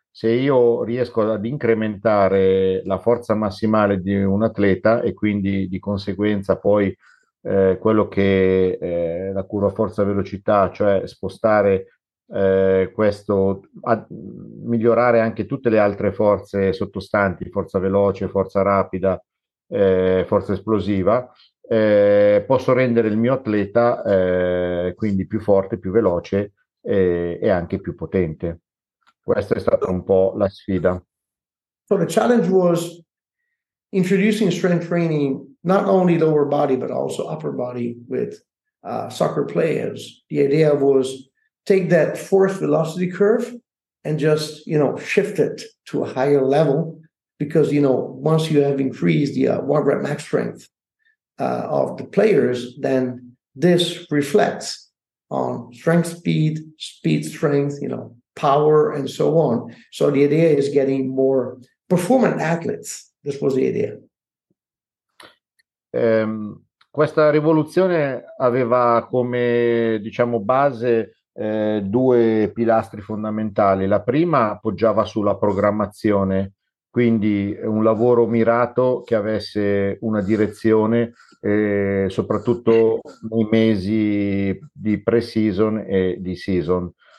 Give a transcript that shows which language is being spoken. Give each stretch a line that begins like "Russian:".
Italian: Se io riesco ad incrementare la forza massimale di un atleta e quindi di conseguenza poi quello che la curva forza velocità, cioè spostare questo, a migliorare anche tutte le altre forze sottostanti, forza veloce, forza rapida, forza esplosiva, posso rendere il mio atleta quindi più forte, più veloce e anche più potente. Questa è stata un po' la sfida.
English: So the challenge was introducing strength training not only lower body but also upper body with soccer players. The idea was take that force velocity curve and just, you know, shift it to a higher level, because, you know, once you have increased the one rep max strength of the players, then this reflects on strength, speed, strength, you know, power, and so on. So the idea is getting more performant athletes. This was the idea.
Italian: questa rivoluzione aveva come, diciamo, base due pilastri fondamentali. La prima poggiava sulla programmazione, quindi un lavoro mirato che avesse una direzione, soprattutto nei mesi di pre-season e di season.